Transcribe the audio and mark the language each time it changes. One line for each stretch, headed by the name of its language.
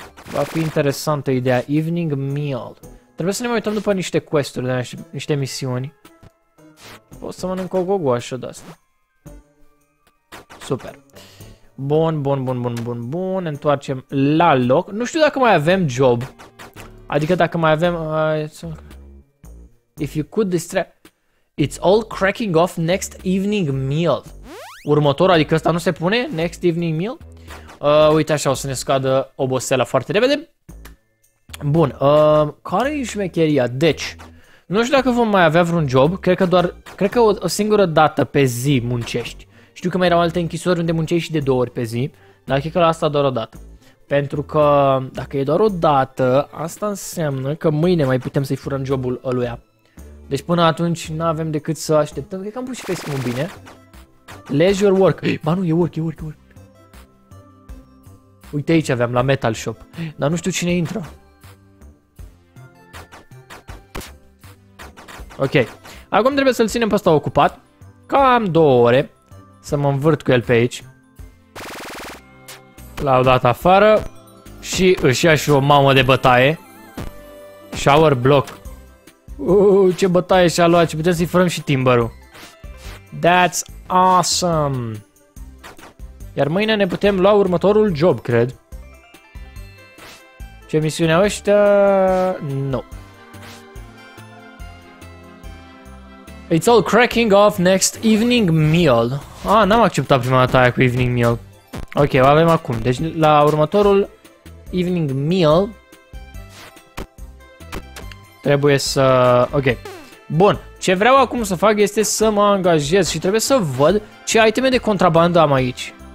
Romanian: Va fi interesantă ideea.
English: Evening meal.
Romanian: Trebuie să ne mai uităm după niște quest-uri, niște misiuni. O să mănânc o gogoașă de asta. Super. Bun. Ne întoarcem la loc. Nu știu dacă mai avem job. Adică dacă mai avem...
English: If you could distract... It's all cracking off next evening meal.
Romanian: Următorul, adică ăsta nu se pune?
English: Next evening meal?
Romanian: Uite așa, o să ne scadă obosela foarte repede. Bun, care e șmecheria? Deci, nu știu dacă vom mai avea vreun job, cred că o singură dată pe zi muncești. Știu că mai erau alte închisori unde muncești și de două ori pe zi, dar cred că la asta doar o dată. Pentru că dacă e doar o dată, asta înseamnă că mâine mai putem să-i furăm jobul ăluia. Deci până atunci nu avem decât să așteptăm, cred că am pus și Facebook bine. Leisure work, ba nu, e work. Uite aici aveam la Metal Shop, dar nu știu cine intră. Ok, acum trebuie să-l ținem pe ăsta ocupat, cam 2 ore, să mă învârt cu el pe aici. L-au dat afară și își ia și o mamă de bătaie. Shower block. Ce bătaie și-a luat, ce putem să-i furăm și timbărul.
English: That's awesome.
Romanian: Iar mâine ne putem lua următorul job, cred. Ce misiune ăștia? Nu.
English: It's all cracking off next evening meal.
Romanian: N-am acceptat prima dată aia cu evening meal. Ok, o avem acum. Deci la următorul evening meal trebuie să... Ok. Bun. Ce vreau acum să fac este să mă angajez și trebuie să văd ce iteme de contrabandă am aici.